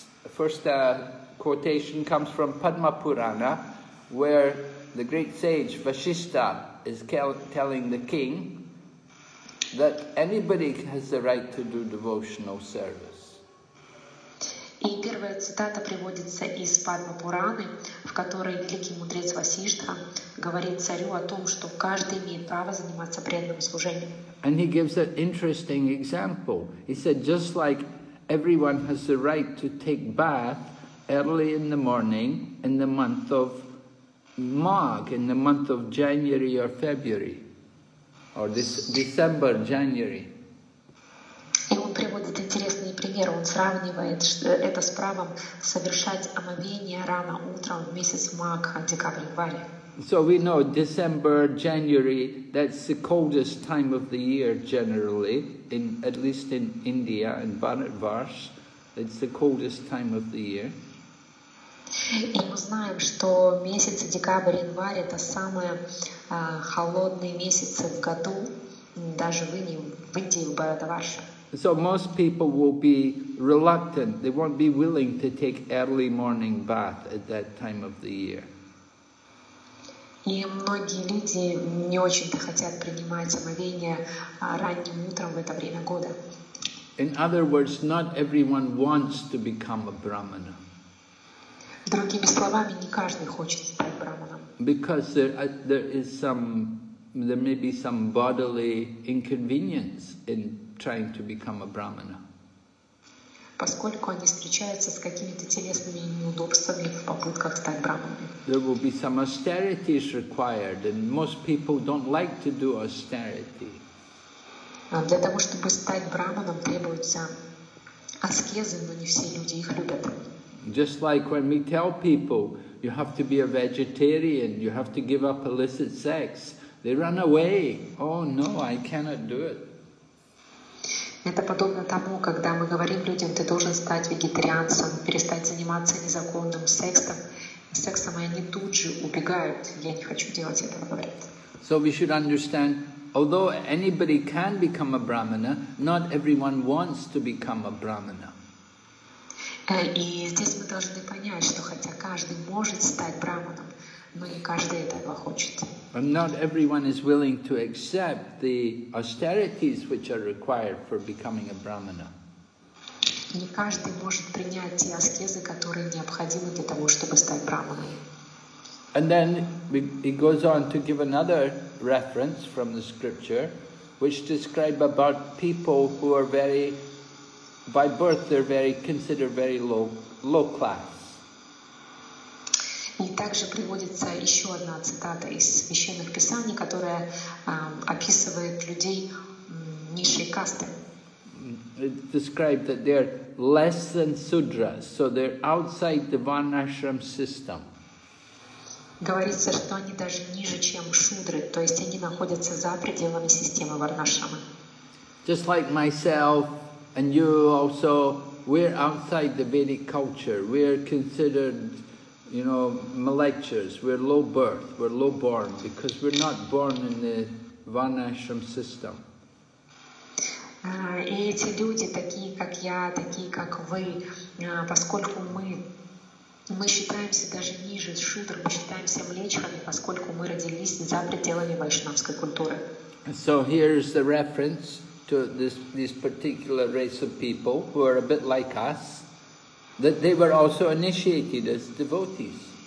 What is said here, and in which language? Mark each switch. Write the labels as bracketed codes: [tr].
[en] First quotation comes from Padma Purana, where the great sage Vasishtha is telling the king that anybody has the right to do devotional service. [ru] И первая цитата приводится из Падма-пураны, в которой великий мудрец Васиштха говорит царю о том, что каждый имеет право заниматься преданным служением. [en] And he gives an interesting example. He said, just like everyone has the right to take bath early in the morning in the month of Magh, in the month of January or February, or December, January. [ru] Интересный пример. Он сравнивает это с правом совершать омовение рано утром в месяц Магха, декабрь-январь. [en] So we know December, January, that's the coldest time of the year generally, at least in India and Bharatvarsh. It's the coldest time of the year. [ru] И мы знаем, что месяц декабрь-январь — это самые холодные месяцы в году, даже в Индии, в Бхаратварш. [en] So most people will be reluctant, they won't be willing to take early morning bath at that time of the year. [ru] И многие люди не очень-то хотят принимать омовение ранним утром в это время года. [en] In other words, not everyone wants to become a brahmana. [ru] Другими словами, не каждый хочет стать брахманом. [en] Because there may be some bodily inconvenience in trying to become a brahmana. [ru] Поскольку они встречаются с какими-то телесными неудобствами в попытках стать брахманами. [en] There will be some austerities required, and most people don't like to do austerity. [ru] Для того, чтобы стать брахманом, требуются аскезы, но не все люди их любят. [en] Just like when we tell people, you have to be a vegetarian, you have to give up illicit sex, they run away. Oh no, I cannot do it. [ru] Это подобно тому, когда мы говорим людям, ты должен стать вегетарианцем, перестать заниматься незаконным сексом, и они тут же убегают. Я не хочу делать этого, говорят. [en] So we should understand, although anybody can become a brahmana, not everyone wants to become a brahmana. [ru] И здесь мы должны понять, что хотя каждый может стать браманом, но не каждый этого хочет. [en] And not everyone is willing to accept the austerities which are required for becoming a brahmana. [ru] Не каждый может принять те аскезы, которые необходимы для того, чтобы стать браманом. [en] And then he goes on to give another reference from the scripture, which describe about people who are very, by birth, they're very considered very low class. [ru] И также приводится еще одна цитата из священных писаний, которая описывает людей низшей касты. [en] It's described that they're less than sudras, so they're outside the varnashram system. [ru] Говорится, что они даже ниже, чем шудры, то есть они находятся за пределами системы варнашрама. [en] Just like myself and you also, we're outside the Vedic culture. We're considered, you know, malechers. We're low birth. We're low born because we're not born in the varnashram system. [ru] И эти люди, такие как я, такие как вы, поскольку мы считаемся даже ниже шудр, мы считаемся млечхами, поскольку мы родились за пределами вайшнавской культуры. [en] So here's the reference to this particular race of people who are a bit like us, that they were also initiated as devotees.